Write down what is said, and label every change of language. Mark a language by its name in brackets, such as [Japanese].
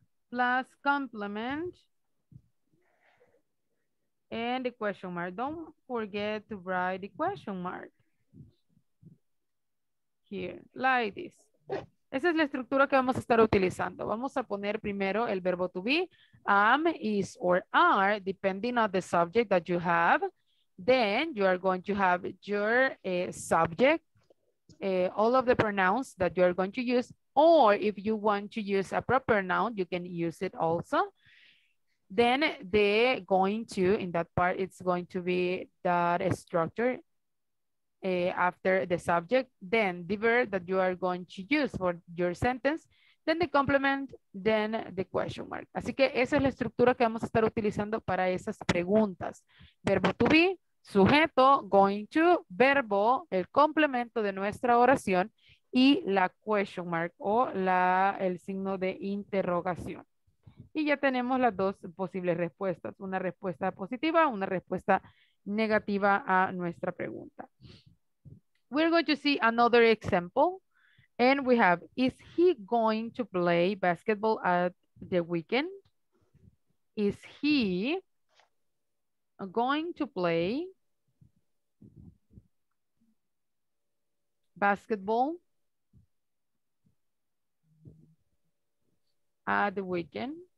[English] Plus complement and the question mark. Don't forget to write the question mark. Here, like this. [Spanish] Esa es la estructura que vamos a estar utilizando. Vamos a poner primero el verbo to be. [English] Am, is, or are, depending on the subject that you have. Then you are going to have your subject, all of the pronouns that you are going to use. Or if you want to use a proper noun, you can use it also. Then the going to, in that part, it's going to be that structure. after the subject, then the verb that you are going to use for your sentence, then the complement, then the question mark. [Spanish] Así que esa es la estructura que vamos a estar utilizando para esas preguntas. Verbo to be, sujeto, going to, verbo, el complemento de nuestra oración y la question mark o la, el signo de interrogación. Y ya tenemos las dos posibles respuestas, una respuesta positiva, una respuesta negativa a nuestra pregunta. [English] We're going to see another example, and we have, is he going to play basketball at the weekend? Is he going to play basketball at the weekend?